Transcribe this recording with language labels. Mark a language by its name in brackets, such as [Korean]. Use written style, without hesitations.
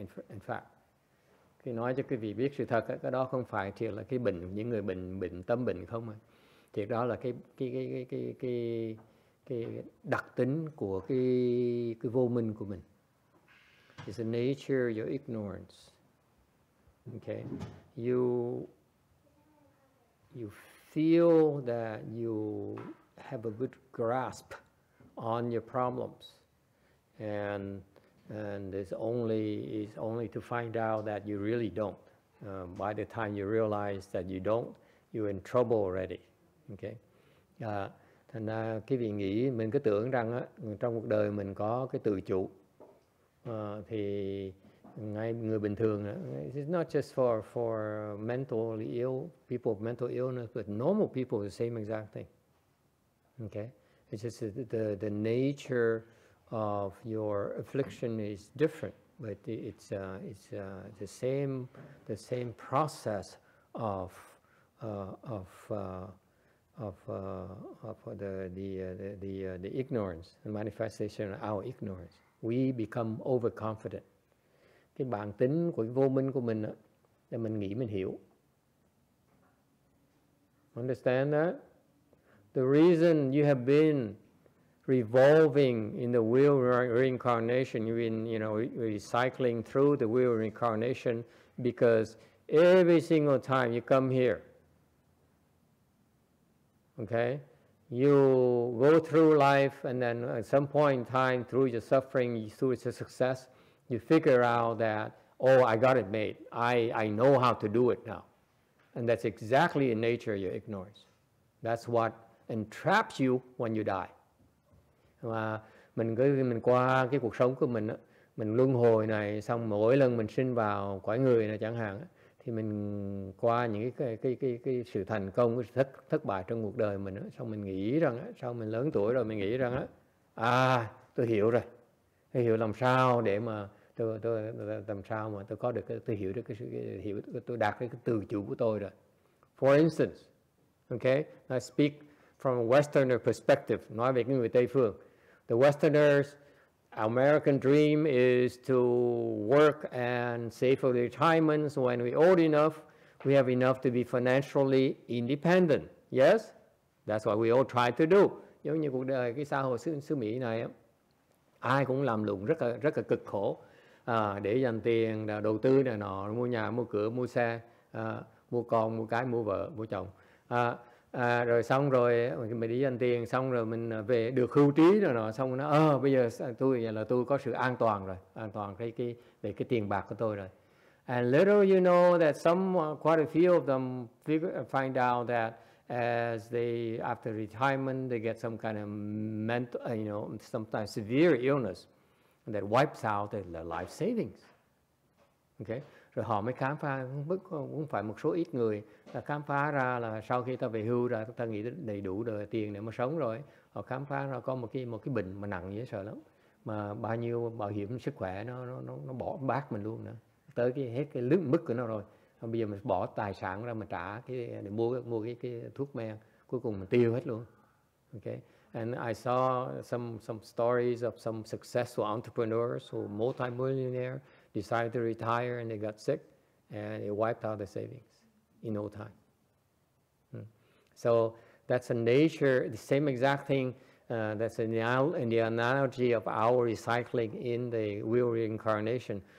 [English] In fact, [Vietnamese] khi nói cho quý vị biết sự thật, cái đó không phải thiệt là cái bệnh, những người bệnh tâm bệnh không à? Thiệt đó là cái đặc tính của cái vô minh của mình. [English] It's the nature of your ignorance. Okay, you feel that you have a good grasp on your problems, and it's only to find out that you really don't. By the time you realize that you don't, you're in trouble already. [Vietnamese] Okay, thành ra cái vị nghĩ mình cứ tưởng rằng á trong cuộc đời mình có cái tự chủ thì ngay người bình thường, [English] it's not just for mentally ill people with mental illness, but normal people the same exact thing. Okay, it's just the nature of your affliction is different, but it's the same process of the ignorance, the manifestation of our ignorance. We become overconfident. [Vietnamese] Cái bản tính của cái vô minh của mình là mình nghĩ mình hiểu. [English] Understand that? The reason you have been revolving in the wheel reincarnation, you've been, you know, recycling through the wheel reincarnation, because every single time you come here, okay, you go through life, and then at some point in time, through your suffering, through your success, you figure out that, oh, I got it made. I know how to do it now. And that's exactly the nature of your ignorance. That's what entraps you when you die. [Vietnamese] Và mình qua cái cuộc sống của mình, mình luân hồi này, xong mỗi lần mình sinh vào cõi người này chẳng hạn, thì mình qua những cái sự thành công, cái thất bại trong cuộc đời mình, xong mình nghĩ rằng, sau mình lớn tuổi rồi, mình nghĩ rằng, tôi hiểu rồi. Tôi hiểu làm sao để mà tôi làm sao mà tôi có được cái, tôi hiểu được cái sự hiểu, tôi đạt cái tự chủ của tôi rồi. [English] For instance, okay, I speak from a Westerner perspective, [Vietnamese] nói về cái người Tây phương. [English] The Westerners, American dream is to work and save for retirements when we're old enough, we have enough to be financially independent. Yes, that's what we all try to do. [Vietnamese] Giống như cuộc đời cái xã hội xứ Mỹ này á, ai cũng làm lụng rất là cực khổ để dành tiền, đầu tư này nọ, mua nhà, mua cửa, mua xe, mua con, mua cái, mua vợ, mua chồng. Rồi xong rồi mình đi dành tiền, xong rồi mình về được hưu trí rồi nọ, xong rồi nó, bây giờ tôi là tôi có sự an toàn rồi, an toàn cái về cái tiền bạc của tôi rồi. [English] And little you know that quite a few of them find out that as they after retirement they get some kind of mental, you know, sometimes severe illness that wipes out their life savings. Okay. [Vietnamese] Rồi họ mới khám phá, cũng phải một số ít người là khám phá ra là sau khi ta về hưu ra, ta nghĩ đầy đủ đời tiền để mà sống rồi. Họ khám phá ra có một cái bệnh mà nặng dễ sợ lắm. Mà bao nhiêu bảo hiểm sức khỏe nó bỏ bát mình luôn nữa. Tới cái hết cái lứt mức của nó rồi. Không, bây giờ mình bỏ tài sản ra mà trả cái để mua cái thuốc men. Cuối cùng mình tiêu hết luôn. [English] Okay. And I saw some stories of some successful entrepreneurs or multimillionaire decided to retire and they got sick and it wiped out the savings in no time. So that's a nature, the same exact thing that's in the analogy of our recycling in the wheel reincarnation.